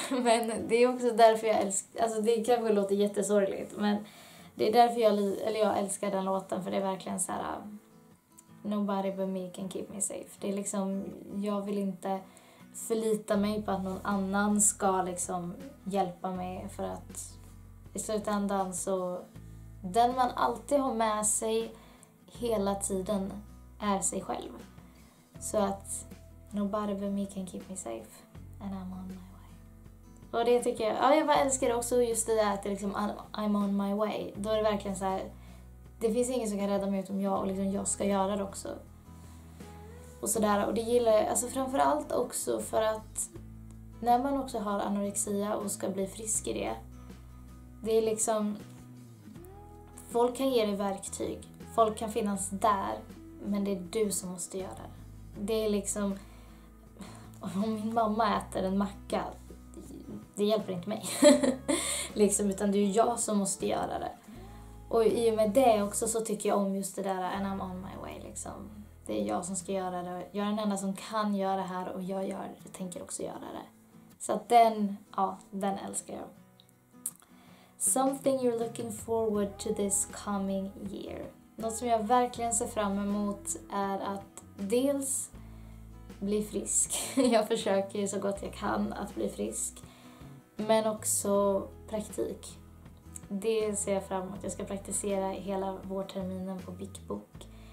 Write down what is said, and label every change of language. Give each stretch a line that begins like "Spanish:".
Swedish: Men det är också därför jag älskar, alltså det kanske låter jättesorgligt, men det är därför jag älskar den låten, för det är verkligen så här,
English: nobody but me can keep me safe.
Swedish: Det är liksom, jag vill inte förlita mig på att någon annan ska liksom hjälpa mig, för att i slutändan så den man alltid har med sig hela tiden är sig själv. Så att
English: nobody but me can keep me safe and I'm on my way.
Swedish: Och det tycker jag, ja, jag bara älskar också just det där att det liksom
English: I'm on my way.
Swedish: Då är det verkligen så här, det finns ingen som kan rädda mig utom jag, och liksom jag ska göra det också. Och sådär, och det gillar jag, alltså framförallt också för att när man också har anorexia och ska bli frisk i det, det är liksom, folk kan ge dig verktyg, folk kan finnas där, men det är du som måste göra det. Det är liksom, om min mamma äter en macka, det hjälper inte mig, liksom, utan det är jag som måste göra det. Och i och med det också så tycker jag om just det där,
English: and I'm on my way,
Swedish: liksom. Det är jag som ska göra det. Jag är den enda som kan göra det här och jag tänker också göra det. Så att den, ja, den älskar jag.
English: Something you're looking forward to this coming year.
Swedish: Något som jag verkligen ser fram emot är att dels bli frisk. Jag försöker ju så gott jag kan att bli frisk. Men också praktik. Det ser jag fram emot. Jag ska praktisera hela vårterminen på Big Book.